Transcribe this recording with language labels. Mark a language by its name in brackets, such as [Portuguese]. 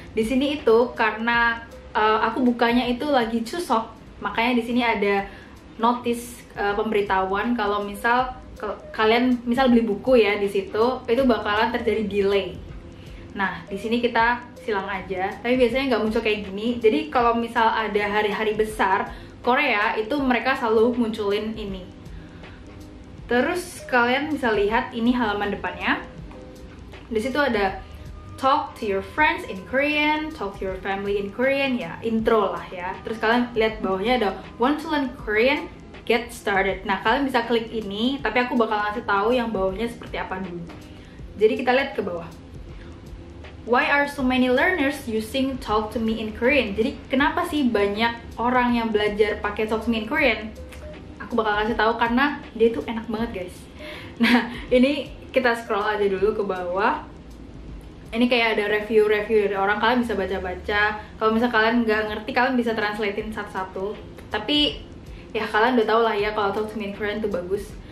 [Indonesian] Di sini itu karena aku bukanya itu lagi Chuseok, makanya di sini ada notice pemberitahuan kalau misal kalian misal beli buku ya di situ, itu bakalan terjadi delay. Nah, di sini kita silang aja, tapi biasanya nggak muncul kayak gini. Jadi kalau misal ada hari-hari besar Korea itu mereka selalu munculin ini. Terus kalian bisa lihat ini halaman depannya. Di situ ada [English] talk to your friends in Korean, talk to your family in Korean, [Indonesian] ya intro lah ya. Terus kalian lihat bawahnya ada [English] want to learn Korean, get started. [Indonesian] Nah, kalian bisa klik ini, tapi aku bakal ngasih tahu yang bawahnya seperti apa dulu. Jadi kita lihat ke bawah. [English] Why are so many learners using Talk to Me in Korean? [Indonesian] Jadi kenapa sih banyak orang yang belajar pakai Talk to Me in Korean? Aku bakal ngasih tahu karena dia tuh enak banget, guys. Nah, ini kita scroll aja dulu ke bawah. Ini kayak ada review-review dari orang, kalian bisa baca-baca. Kalau misal kalian nggak ngerti, kalian bisa translatein satu-satu. Tapi ya kalian udah tau lah ya kalau Talk to Me in Korean itu bagus.